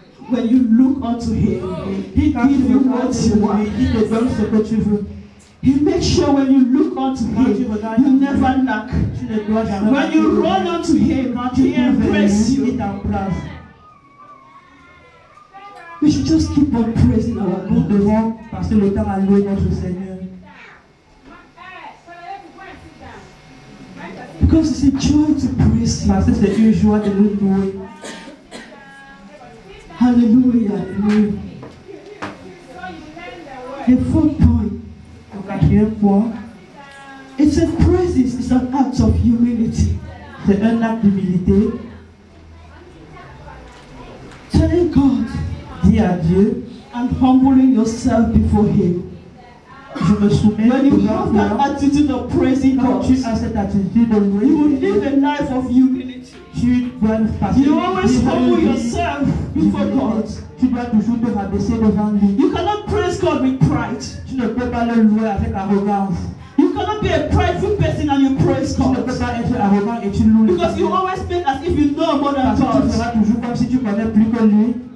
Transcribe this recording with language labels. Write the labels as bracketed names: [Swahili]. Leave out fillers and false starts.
[English] When you look unto him, he gives you what you want. [French] Il te donne ce que tu veux. [English] He makes sure when you look unto him, you never lack. When you run unto him, he embraces you. We should just keep on praising our God. [French] Nous devons passer le temps à louer notre Seigneur. [English] Because it's a joy to praise him. [French] Parce que c'est une joie de nous louer. [English] Hallelujah. Hallelujah. The fourth point. [French] Le quatrième point. [English] It's a praise. It's an act of humility. [French] C'est un acte d'humilité. [English] Telling God. [French] Dis à Dieu. [English] And humbling yourself before Him. [French] Je me soumets. [English] When you have that attitude of praising God, [French] tu as cette attitude de louer. [English] You will live a life of humility. You always humble yourself. Before God, you cannot praise God with pride. [French] Tu ne peux pas le louer avec arrogance. [English] You cannot be a prideful person and you praise God. [French] Tu ne peux pas être arrogant et tu loues. [English] Because you always speak as if you know more than God. [French] Parce que tu feras toujours comme si tu connais plus que lui.